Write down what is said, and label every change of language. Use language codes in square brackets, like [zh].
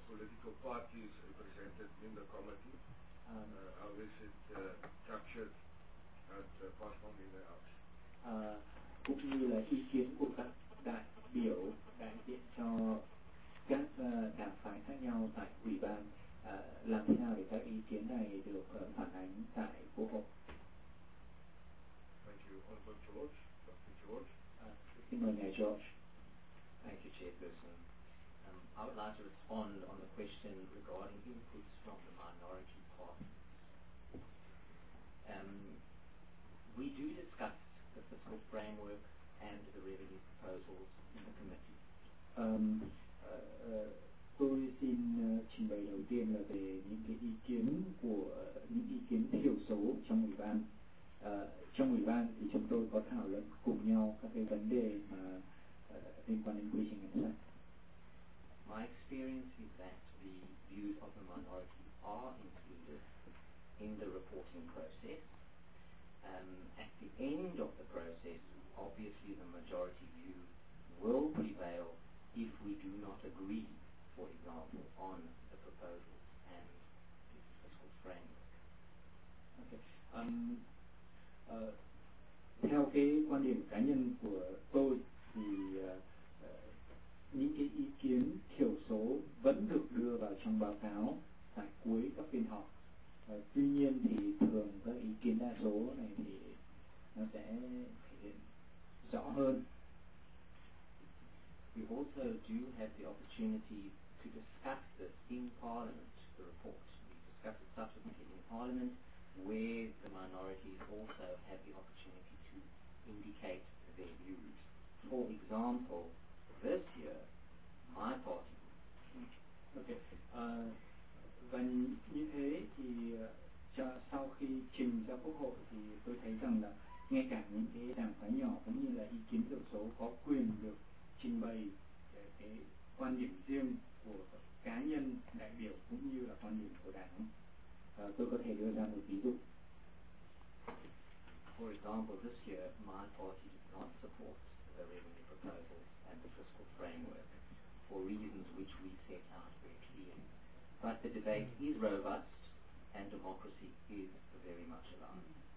[en] political parties represented in the committee, how is it structured and passed on in the House? [vi] cũng như là ý kiến của các đại biểu đại diện cho các đảng phái khác nhau tại ủy ban, làm thế nào để các ý kiến này được phản ánh tại quốc hội. [en] Thank you, Honorable George. Dr. George. [vi] Xin mời ngài George. [en] Thank you, Chairperson. I would like to respond on the question regarding inputs from the minority parties. We do discuss the fiscal framework and the revenue proposals in the committee. [vi] Tôi xin trình bày đầu tiên là về những cái ý kiến của những ý kiến thiểu số trong ủy ban. Trong ủy ban thì chúng tôi có thảo luận cùng nhau các cái vấn đề mà liên quan đến quy trình ngân sách. [en] My experience is that the views of the minority are included in the reporting process. At the end of the process, obviously the majority view will prevail if we do not agree, for example, on the proposals and the fiscal framework. Okay. [vi] Theo cái quan điểm cá nhân của tôi thì những cái ý kiến thiểu số vẫn được đưa vào trong báo cáo tại cuối các phiên họp. Tuy nhiên thì thường các ý kiến đa số này thì nó sẽ thể hiện rõ hơn. [en] We also do have the opportunity to discuss this in Parliament, the report. We discuss it subsequently in Parliament, where the minorities also have the opportunity to indicate their views. For example, this year, my party. Okay. [vi] Và như thế thì cho sau khi trình ra quốc hội thì tôi thấy rằng là ngay cả những cái đảng phái nhỏ cũng như là ý kiến thiểu số có quyền được trình bày cái quan điểm riêng của cá nhân đại biểu cũng như là quan điểm của đảng. Tôi có thể đưa ra một ví dụ. [en] For example, this year my party did not support the revenue proposals and the fiscal framework for reasons which we set out very clearly. But the debate is robust and democracy is very much alive.